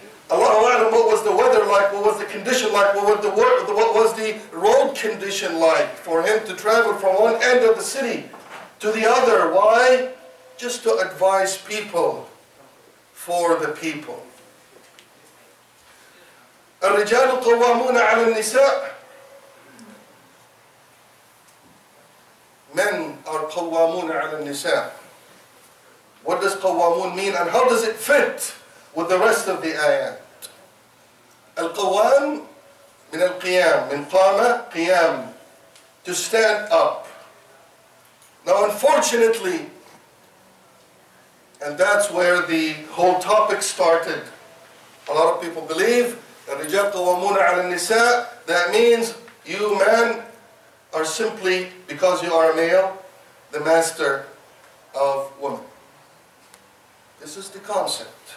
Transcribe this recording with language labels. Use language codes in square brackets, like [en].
[en] Allah a'lam, what was the weather like? What was the condition like? What was the road condition like for him to travel from one end of the city to the other? Why? Just to advise people for the people. [ar] الرجال قوامون على النساء. [en] Men are [ar] قوامون على النساء. [en] What does قوامون mean and how does it fit with the rest of the ayat? [ar] القوام من القيام من قام قيام [en] to stand up. Now unfortunately, and that's where the whole topic started, a lot of people believe [ar] الرجال قوامون على النساء, [en] that means you men are simply, because you are a male, the master of women. This is the concept.